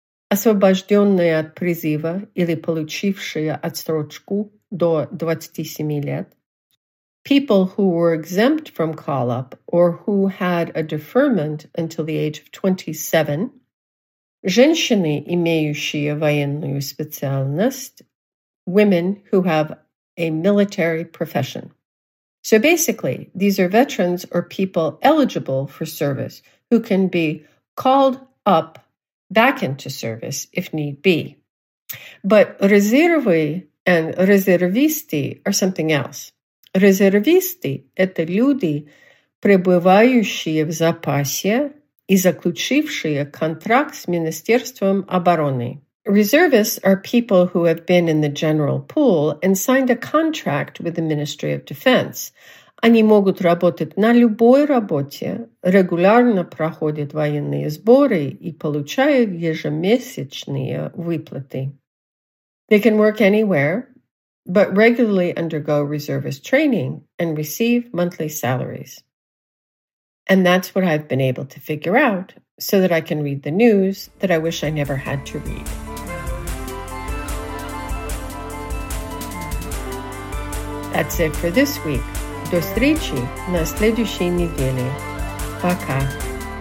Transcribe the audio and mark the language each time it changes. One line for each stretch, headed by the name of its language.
Russian: освобожденные от призыва или получившие отсрочку до 27 лет,
English: people who were exempt from call-up or who had a deferment until the age of 27,
Russian: женщины, имеющие военную специальность,
English: women who have a military profession. So basically, these are veterans or people eligible for service who can be called up back into service if need be. But резервы and резервисты are something else.
Russian: Резервисты – это люди, пребывающие в запасе и заключившие контракт с Министерством обороны.
English: Reservists are people who have been in the general pool and signed a contract with the Ministry of Defense.
Russian: Они могут работать на любой работе, регулярно проходят военные сборы и получают ежемесячные выплаты.
English: They can work anywhere, but regularly undergo reservist training and receive monthly salaries. And that's what I've been able to figure out so that I can read the news that I wish I never had to read. That's it for this week.
Russian: До встречи на следующей неделе. Пока.